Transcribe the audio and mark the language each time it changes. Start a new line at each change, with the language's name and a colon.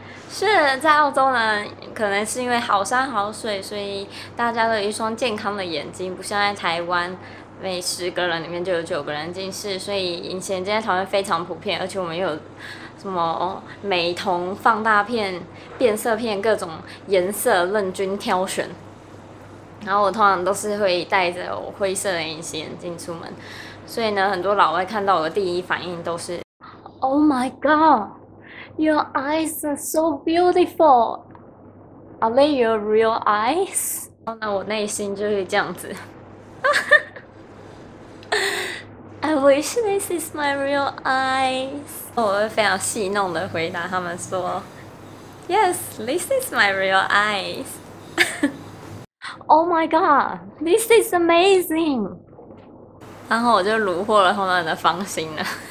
Chinese: 是在澳洲呢，可能是因为好山好水，所以大家都有一双健康的眼睛，不像在台湾，每10个人里面就有9个人近视，所以隐形今天讨论非常普遍，而且我们又有什么美瞳放大片、变色片，各种颜色任君挑选。然后我通常都是会戴着我灰色的隐形眼镜出门，所以呢，很多老外看到我的第一反应都是
English: Oh my God！ Your eyes are so beautiful. Are they your real eyes?
Chinese: 那我内心就是这样子。
English: I wish this is my real eyes.
Chinese: 我会非常戏弄的回答他们说：
English: “Yes, this is my real eyes. Oh my God, this is amazing.”
Chinese: 然后我就虏获了他们的芳心了。